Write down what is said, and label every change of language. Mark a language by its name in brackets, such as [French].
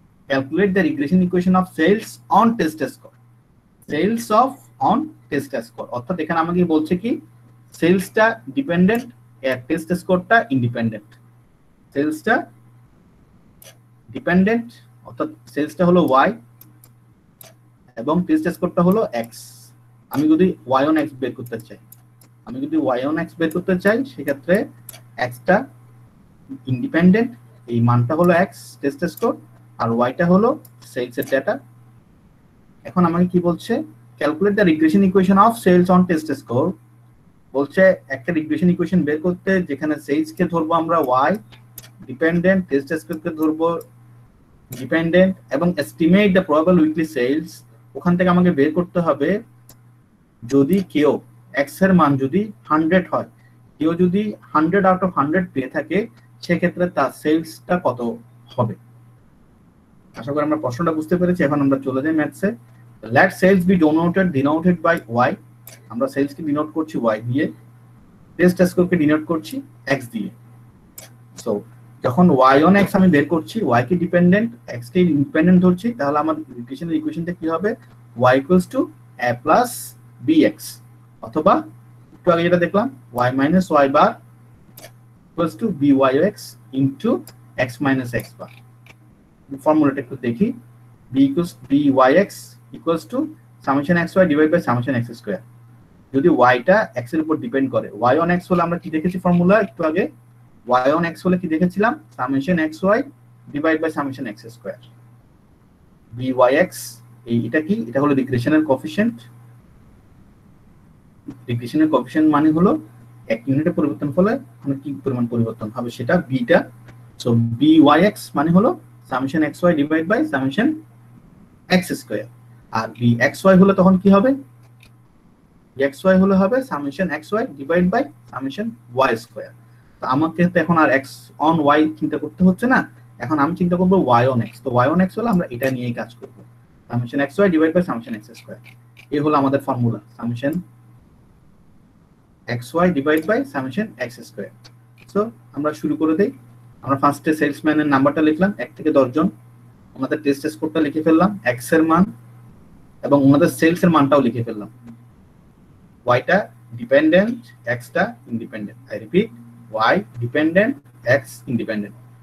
[English] calculate the regression equation of sales on test score. Sales of on test score. [Bangla] অর্থাৎ এখানে আমাকে বলছে কি সেলসটা ডিপেন্ডেন্ট আর টেস্ট স্কোরটা ইন্ডিপেন্ডেন্ট. সেলসটা ডিপেন্ডেন্ট অর্থাৎ সেলসটা হলো y এবং টেস্ট স্কোরটা হলো x. আমি যদি y on x বের করতে চাই, আমি যদি y on x বের করতে চাই সেই ক্ষেত্রে xটা ইন্ডিপেন্ডেন্ট, এই মানটা হলো x টেস্ট স্কোর আর yটা হলো সেলস এর ডেটা. এখন আমাকে কি বলছে [English] Calculate the regression equation of sales on test score. [Bangla] বলছে একটা রিগ্রেশন ইকুয়েশন বের করতে যেখানে সেলস কে ধরবো আমরা y ডিপেন্ডেন্ট, টেস্ট স্কোর কে ধরবো ডিপেন্ডেন্ট এবং [English] Estimate the probable weekly sales. [Bangla] ওখান থেকে আমাকে বের করতে হবে যদি কেউ x এর মান যদি 100 হয়, কেউ যদি 100 আউট অফ 100 পেয়ে থাকে সেক্ষেত্রে তার সেলসটা কত হবে. আশা করি আমরা প্রশ্নটা বুঝতে পেরেছি. এখন আমরা চলে যাই ম্যাথসে. [English] Let sales be denoted by y. [Bangla] আমরা সেলস কে ডিনোট করছি y দিয়ে, টেস্ট স্কোর কে ডিনোট করছি x দিয়ে. সো যখন y on x আমি বের করছি, y কে ডিপেন্ডেন্ট x কে ইন্ডিপেন্ডেন্ট ধরছি, তাহলে আমাদের রিগ্রেশনের ইকুয়েশনটা কি হবে y equals to a plus bx অথবা একটু আগে যেটা দেখলাম y minus y bar equals to byx into x minus x bar. ফর্মুলাটা একটু দেখি, b equals byx equals to summation xy divided by summation x square. যদি y টা x এর উপর ডিপেন্ড করে, y on x হলে আমরা কি দেখেছি ফর্মুলা একটু আগে, y on x হলে কি দেখেছিলাম summation xy divided by summation x square byx. এটা কি, এটা হলো রিগ্রেশনের কোএফিসিয়েন্ট. রিগ্রেশনের কোএফিসিয়েন্ট মানে হলো এক ইউনিটের পরিবর্তন ফলে মানে কি পরিমাণ পরিবর্তন হবে সেটা b টা. সো byx মানে হলো summation xy divided by summation x square. আর b xy হলে তখন কি হবে, xy হলে হবে summation xy divided by summation y square. তো আমাকে তো এখন আর x on y চিন্তা করতে হচ্ছে না, এখন আমি চিন্তা করব y on x. তো y on x হলে আমরা এটা নিয়েই কাজ করব, summation xy divided by summation x square. এই হলো আমাদের formula, summation xy divided by summation x square. So আমরা শুরু করে দেই. আমরা ফার্স্টে সেলসম্যানের নাম্বারটা লিখলাম 1 থেকে 10 জন, আমাদের টেস্ট স্কোরটা লিখে ফেললাম x এর মান এবং আমাদের সেলস এর মানটাও লিখে ফেললাম, yটা dependent xটা independent. [English] I repeat, [Bangla] y dependent x independent.